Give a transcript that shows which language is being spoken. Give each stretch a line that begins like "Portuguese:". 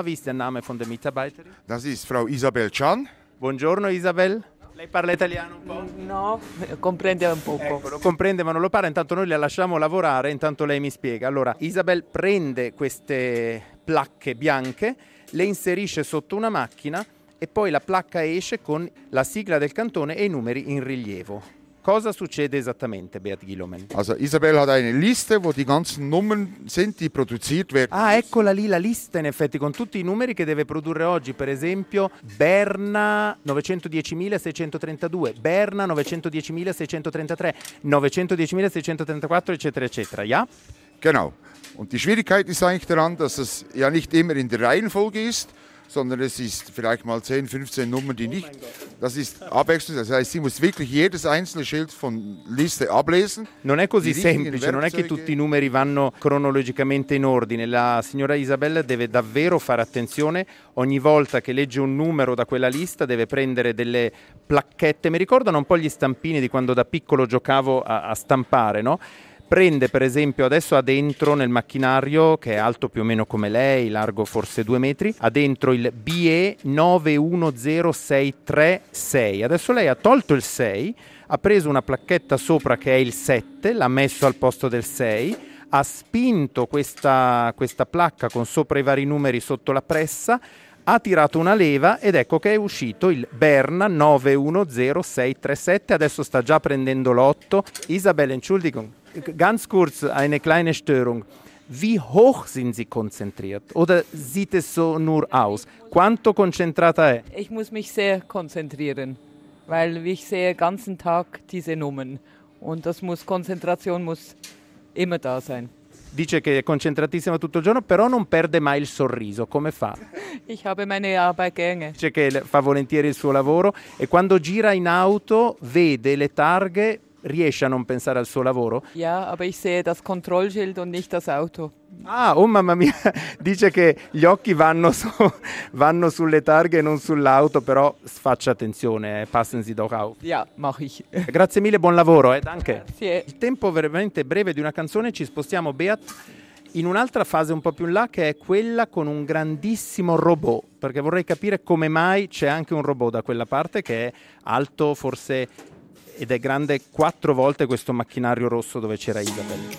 German: Wie Name von der Mitarbeiterin? Das ist Frau Isabel Chan.
Italian: Buongiorno Isabel. Lei parla italiano un po'? No, comprende un poco. Ecco, lo comprende ma non lo parla, intanto noi la lasciamo lavorare, intanto lei mi spiega. Allora, Isabel prende queste placche bianche, le inserisce sotto una macchina e poi la placca esce con la sigla del cantone e i numeri in rilievo. Cosa succede esattamente, Beat Gilomen?
German: Also Isabel hat eine Liste, wo die ganzen Nummern sind, die produziert werden.
Italian: Ah, eccola lì, la lista, in effetti, con tutti i numeri che deve produrre oggi. Per esempio, Berna 910.632, Berna 910.633, 910.634, eccetera, eccetera, ja?
German: Genau. Und die Schwierigkeit ist eigentlich daran, dass es ja nicht immer in der Reihenfolge ist, sondern es ist vielleicht mal 10, 15 Nummern, die nicht. Das ist abwechselnd. Das heißt, sie muss wirklich jedes einzelne Schild von Liste ablesen.
Italian: Non è così semplice, non è che tutti i numeri vanno cronologicamente in ordine. La signora Isabella deve davvero fare attenzione. Ogni volta che legge un numero da quella lista, deve prendere delle placchette. Mi ricordano un po' gli stampini di quando da piccolo giocavo a stampare, no? Prende per esempio, adesso ha dentro nel macchinario, che è alto più o meno come lei, largo forse 2 metri, ha dentro il BE910636. Adesso lei ha tolto il 6, ha preso una placchetta sopra che è il 7, l'ha messo al posto del 6, ha spinto questa placca con sopra i vari numeri sotto la pressa, ha tirato una leva ed ecco che è uscito il Berna 910637. Adesso sta già prendendo l'8.
German: Isabel, entschuldigung. Ganz kurz eine kleine Störung. Wie hoch sind Sie konzentriert? Oder sieht es so nur aus?
Italian: Quanto concentrata è?
German: Ich muss mich sehr konzentrieren, weil ich sehe ganzen Tag diese Nummern und das muss Konzentration muss immer da sein.
Italian: Dice che è concentratissima tutto il giorno, però non perde mai il sorriso. Come fa?
German: Ich habe meine Arbeit gerne.
Italian: Dice che fa volentieri il suo lavoro e quando gira in auto vede le targhe. Riesce a non pensare al suo lavoro?
German: Ja, aber ich sehe das Kontrollschild und nicht das Auto.
Italian: Ah, oh mamma mia, dice che gli occhi vanno sulle targhe e non sull'auto, però faccia attenzione,
German: passen Sie doch auf. Ja, mach ich.
Italian: Grazie mille, buon lavoro, danke. Grazie. Il tempo veramente breve di una canzone, ci spostiamo, Beat, in un'altra fase un po' più in là, che è quella con un grandissimo robot, perché vorrei capire come mai c'è anche un robot da quella parte che è alto forse ed è grande 4 volte questo macchinario rosso dove c'era Isabel.